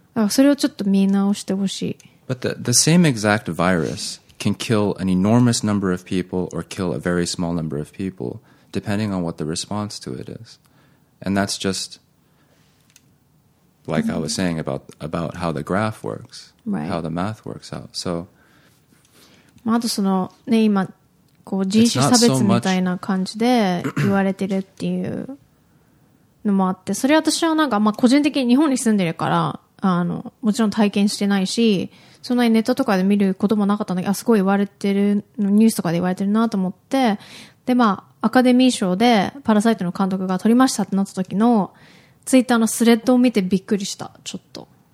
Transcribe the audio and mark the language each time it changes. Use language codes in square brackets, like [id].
[ja] それをちょっと見直してほしい。 [en] But the same exact virus can kill an enormous number of people or kill a very small number of people, depending on what the response to it is. And that's just like I was saying about how the graph works, right. How the math works out. So, [ja] まああとそのね今こう人種差別みたいな感じで言われてるっていう。のもあって、それ私はなんかまあ個人的に日本に住んでるからあのもちろん体験してないし、そんなにネットとかで見ることもなかったんだけど、あすごい言われてるニュースとかで言われてるなと思って、でまあアカデミー賞でパラサイトの監督が撮りましたってなった時のツイッターのスレッドを見てびっくりした、ちょっと、